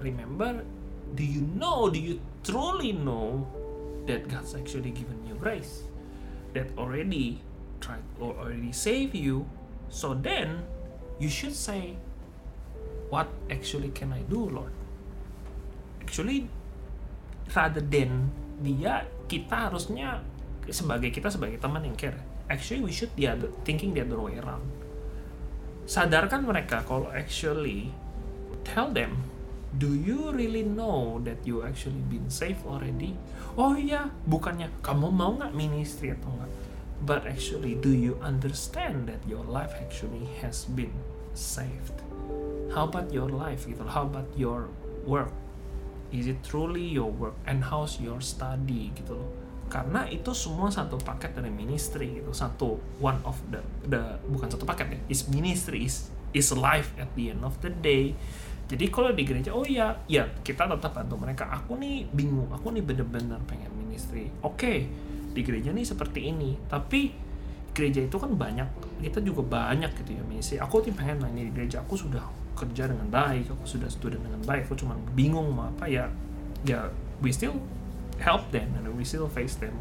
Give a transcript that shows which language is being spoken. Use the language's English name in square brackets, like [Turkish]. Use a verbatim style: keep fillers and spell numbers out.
[English] Remember, do you know, do you truly know that God's actually given you grace that already tried or already save you, so then you should say what actually can I do Lord? Actually rather than [Indonesian] dia, kita harusnya sebagai kita sebagai teman yang care. [English] Actually we should the other, thinking the other way around. [Indonesian] Sadarkan mereka kalau [English] actually tell them, do you really know that you actually been saved already? [Indonesian] Oh iya, bukannya kamu mau nggak ministry atau nggak? [English] But actually, do you understand that your life actually has been saved? How about your life gitu? How about your work? Is it truly your work? And how's your study gitu loh? [Indonesian] Karena itu semua satu paket dari ministry gitu, satu one of the the bukan satu paket ya. [English] Is ministry is is life at the end of the day. [Indonesian] Jadi kalau di gereja, oh iya, ya kita tetap bantu mereka. Aku nih bingung, aku nih bener-bener pengen ministry. Oke, okay, di gereja nih seperti ini. Tapi gereja itu kan banyak, kita juga banyak gitu ya ministry. Aku nih pengen nanya di gereja, aku sudah kerja dengan baik, aku sudah studi dengan baik. Aku cuma bingung mau apa ya. [English] Ya, we still help them and we still face them.